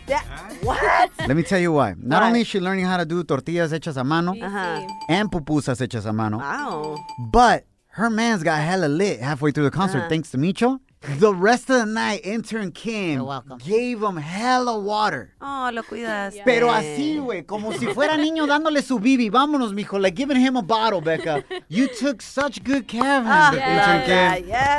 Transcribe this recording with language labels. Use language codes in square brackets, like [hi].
[en] Yeah. What? Let me tell you why. Not only is she learning how to do tortillas [es] hechas a mano [en] and pupusas hechas a mano. Wow. But her man's got hella lit halfway through the concert thanks to Micho. The rest of the night, intern Kim gave him hella water. [es] Oh, lo cuidas. [en] Yeah. [es] Pero así, güey, como si fuera niño dándole su bibi. Vámonos, mijo, [en] like giving him a bottle, Becca. You took such good care of him, intern Kim.